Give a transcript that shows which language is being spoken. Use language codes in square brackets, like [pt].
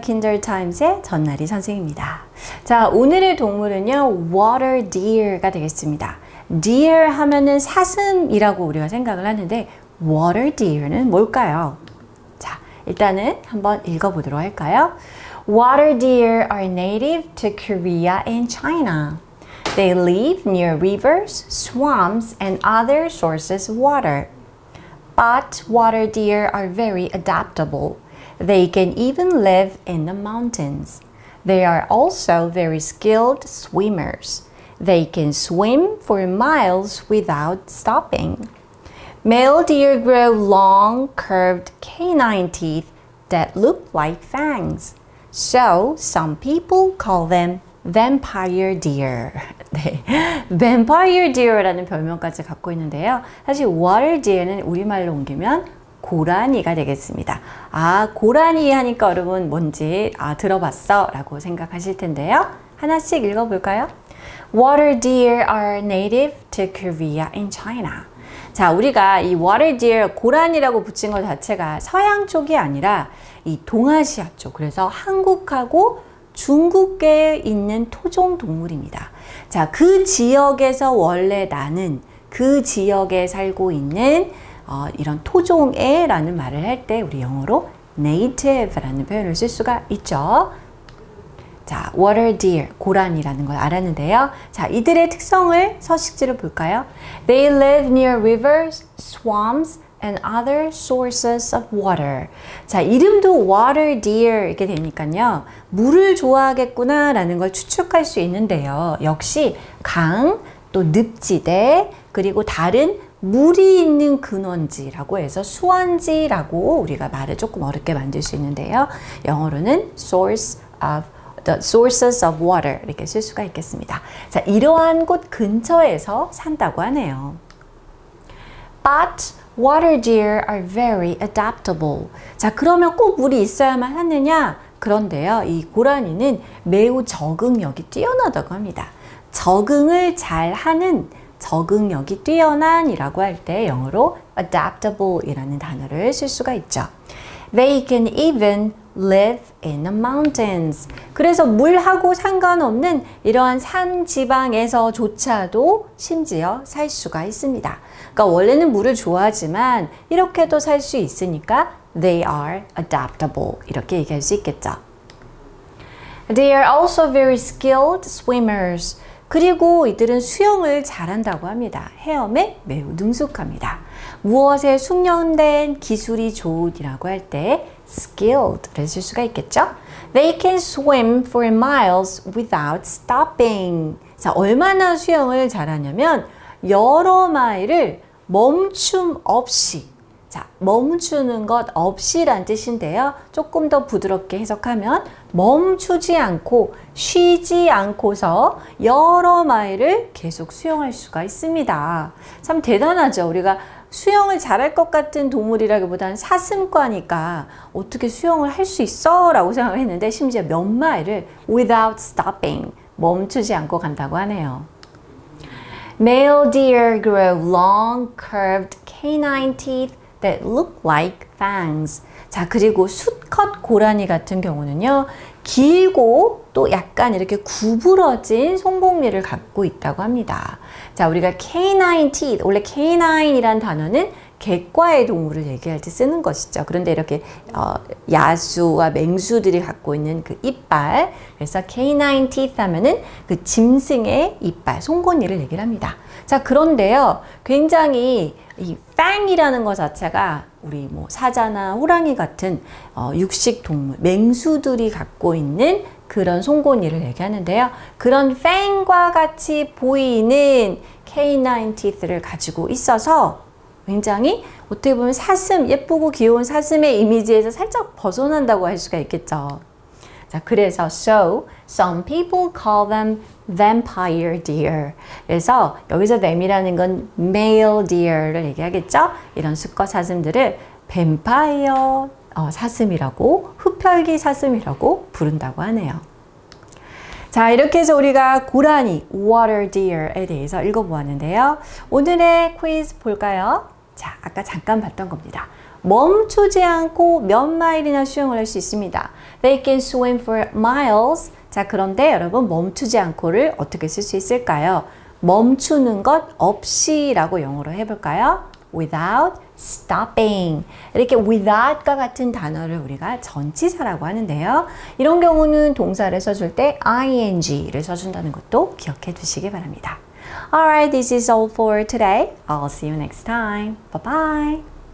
[ko] Kindle Times의 전나리 선생입니다. 자, 오늘의 동물은요, water deer가 되겠습니다. deer 하면은 사슴이라고 우리가 생각을 하는데, water deer는 뭘까요? 자, 일단은 한번 읽어보도록 할까요? [en] Water deer are native to Korea and China. They live near rivers, swamps, and other sources of water. But water deer are very adaptable. They can even live in the mountains. They are also very skilled swimmers. They can swim for miles without stopping. Male deer grow long, curved canine teeth that look like fangs. So some people call them vampire deer. [ko] 네. Vampire deer라는 별명까지 갖고 있는데요. 사실 water deer는 우리말로 옮기면 고라니가 되겠습니다. 아, 고라니 하니까 여러분 뭔지 아, 들어봤어 라고 생각하실 텐데요. 하나씩 읽어볼까요? [en] Water deer are native to Korea and China. [ko] 자, 우리가 이 water deer, 고라니라고 붙인 것 자체가 서양 쪽이 아니라 이 동아시아 쪽, 그래서 한국하고 중국에 있는 토종 동물입니다. 자, 그 지역에서 원래 나는 그 지역에 살고 있는 이런 토종의 라는 말을 할 때 우리 영어로 native 라는 표현을 쓸 수가 있죠. 자, water deer, 고라니라는 걸 알았는데요. 자, 이들의 특성을 서식지를 볼까요? [en] They live near rivers, swamps, and other sources of water. [ko] 자, 이름도 water deer 이렇게 되니까요. 물을 좋아하겠구나 라는 걸 추측할 수 있는데요. 역시 강, 또 늪지대, 그리고 다른 물이 있는 근원지라고 해서 수원지라고 우리가 말을 조금 어렵게 만들 수 있는데요. 영어로는 [en] sources of water [ko] 이렇게 쓸 수가 있겠습니다. 자, 이러한 곳 근처에서 산다고 하네요. [en] But water deer are very adaptable. [ko] 자, 그러면 꼭 물이 있어야만 하느냐? 그런데요, 이 고라니는 매우 적응력이 뛰어나다고 합니다. 적응을 잘 하는, 적응력이 뛰어난이라고 할 때 영어로 adaptable 이라는 단어를 쓸 수가 있죠. [en] They can even live in the mountains. [ko] 그래서 물하고 상관없는 이러한 산 지방에서조차도 심지어 살 수가 있습니다. 그러니까 원래는 물을 좋아하지만 이렇게도 살 수 있으니까 [en] they are adaptable [ko] 이렇게 얘기할 수 있겠죠. [en] They are also very skilled swimmers. [ko] 그리고 이들은 수영을 잘한다고 합니다. 헤엄에 매우 능숙합니다. 무엇에 숙련된 기술이 좋으라고 할 때 skilled를 쓸 수가 있겠죠. [en] They can swim for miles without stopping. [ko] 자, 얼마나 수영을 잘하냐면 여러 마일을 멈춤 없이. 자, 멈추는 것 없이란 뜻인데요. 조금 더 부드럽게 해석하면 멈추지 않고 쉬지 않고서 여러 마일을 계속 수영할 수가 있습니다. 참 대단하죠. 우리가 수영을 잘할 것 같은 동물이라기보다는 사슴과니까 어떻게 수영을 할 수 있어? 라고 생각했는데 심지어 몇 마일을 [en] without stopping, [ko] 멈추지 않고 간다고 하네요. [en] Male deer grow long curved canine teeth that look like fangs. [ko] 자, 그리고 수컷 고라니 같은 경우는요, 길고 또 약간 이렇게 구부러진 손목니를 갖고 있다고 합니다. 자, 우리가 canine teeth, 원래 canine이란 단어는 개과의 동물을 얘기할 때 쓰는 것이죠. 그런데 이렇게 야수와 맹수들이 갖고 있는 그 이빨, 그래서 canine teeth 하면은 그 짐승의 이빨, 송곳니를 얘기를 합니다. 자, 그런데요, 굉장히 이 fang이라는 것 자체가 우리 뭐 사자나 호랑이 같은 육식 동물, 맹수들이 갖고 있는 그런 송곳니를 얘기하는데요. 그런 fang과 같이 보이는 canine teeth를 가지고 있어서 굉장히 어떻게 보면 사슴, 예쁘고 귀여운 사슴의 이미지에서 살짝 벗어난다고 할 수가 있겠죠. 자, 그래서 [en] so some people call them vampire deer. [ko] 그래서 여기서 them이라는 건 male deer를 얘기하겠죠. 이런 수컷 사슴들을 vampire 사슴이라고, 흡혈귀 사슴이라고 부른다고 하네요. 자, 이렇게 해서 우리가 고라니, water deer에 대해서 읽어보았는데요. 오늘의 퀴즈 볼까요? 자, 아까 잠깐 봤던 겁니다. 멈추지 않고 몇 마일이나 수영을 할 수 있습니다. [en] They can swim for miles. [ko] 자, 그런데 여러분 멈추지 않고를 어떻게 쓸 수 있을까요? 멈추는 것 없이 라고 영어로 해볼까요? [en] Without stopping. [ko] 이렇게 without과 같은 단어를 우리가 전치사라고 하는데요. 이런 경우는 동사를 써줄 때 ing를 써준다는 것도 기억해 두시기 바랍니다. [en] Alright, this is all for today. I'll see you next time. Bye-bye.